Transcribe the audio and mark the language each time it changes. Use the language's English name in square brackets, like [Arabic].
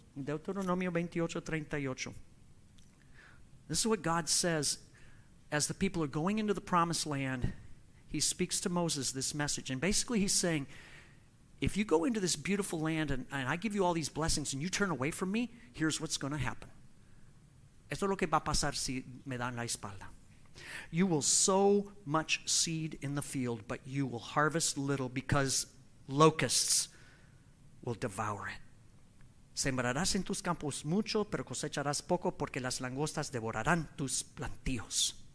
[Spanish] Deuteronomio 28:38. [English] This is what God says as the people are going into the promised land, he speaks to Moses this message. And basically he's saying, if you go into this beautiful land and I give you all these blessings and you turn away from me, here's what's going to happen. [Spanish] Esto es lo que va a pasar si me dan la espalda. [English] You will sow much seed in the field, but you will harvest little because locusts will devour it. [Spanish] Sembrarás en tus campos mucho, pero cosecharás poco porque las langostas devorarán tus plantíos.